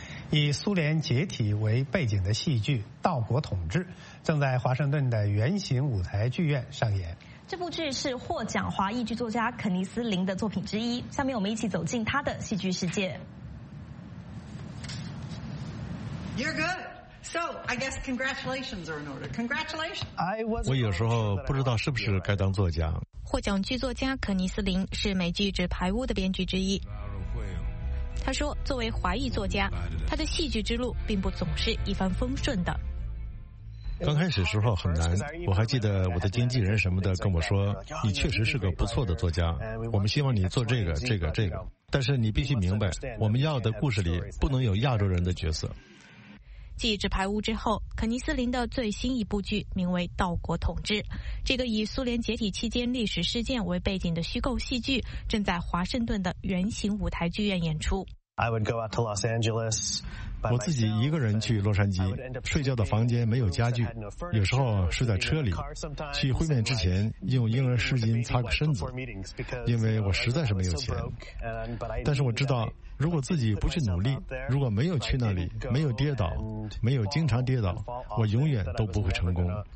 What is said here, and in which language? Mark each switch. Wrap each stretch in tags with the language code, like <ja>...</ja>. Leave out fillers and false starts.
<zh>以苏联解体为背景的戏剧《道国统治》正在华盛顿的圆形舞台剧院上演。这部剧是获奖华裔剧作家肯尼斯林的作品之一，下面我们一起走进他的戏剧世界。</zh> <en>You're good. So, I guess congratulations are in order. Congratulations.</en> <zh>我有时候不知道是不是该当作家。获奖剧作家肯尼斯林是美剧《纸牌屋》的编剧之一。他说，作为华裔作家，他的戏剧之路并不总是一帆风顺的。刚开始时候很难，我还记得我的经纪人什么的跟我说，你确实是个不错的作家，我们希望你做这个这个这个，但是你必须明白，我们要的故事里不能有亚洲人的角色。继《纸牌屋》之后，肯尼斯林的最新一部剧名为《道国统治》，这个以苏联解体期间历史事件为背景的虚构戏剧正在华盛顿的圆形舞台剧院演出。</zh> <en>I would go out to Los Angeles</en> <zh>by 我自己一个人去洛杉矶，睡觉的房间没有家具，有时候睡在车里，去会面之前用婴儿湿巾擦个身子，因为我实在是没有钱。但是我知道，如果自己不去努力，如果没有去那里，没有跌倒，没有经常跌倒，我永远都不会成功。</zh>